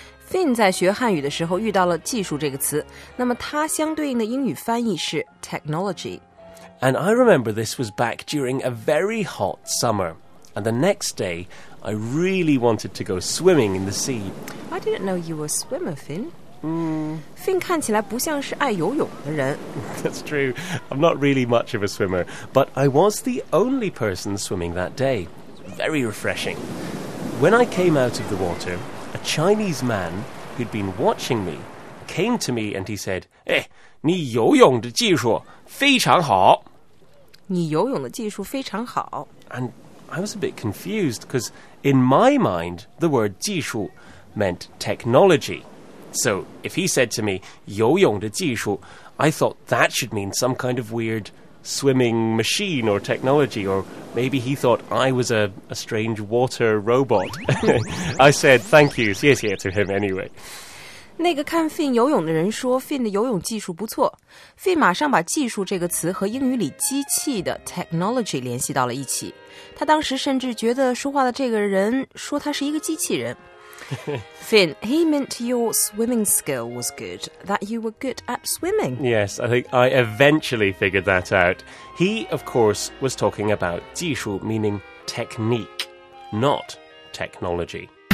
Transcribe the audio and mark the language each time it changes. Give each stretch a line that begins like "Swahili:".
Chinese: Finn 在学汉语的时候遇到了技术这个词，那么它相对应的英语翻译是 technology.
English: And I remember this was back during a very hot summer. And the next day, I really wanted to go swimming in the sea. I didn't know you were a swimmer, Finn. Finn
Chinese: 看起来不像是爱游泳的人。
English: That's true. I'm not really much of a swimmer. But I was the only person swimming that day. Very refreshing. When I came out of the water... A Chinese man who'd been watching me came to me and he said,
Chinese: 你游泳的技术非常好。你游泳的技术非常好。
English: And I was a bit confused because in my mind, the word 技术 meant technology. So if he said to me,
Chinese: 游泳的技术,
English: I thought that should mean some kind of weird swimming machine or technology, or maybe he thought I was a strange water robot. I said, thank you, yes, yes, to him anyway.
Chinese: 那个看 Finn 游泳的人说 Finn 的游泳技术不错。 Finn 马上把技术这个词和英语里机器的 technology 联系到了一起。他当时甚至觉得说话的这个人说他是一个机器人。
English: Finn, he meant your swimming skill was good, that you were good at swimming. Yes, I think I eventually figured that out. He, of course, was talking about 技术, meaning technique, not technology.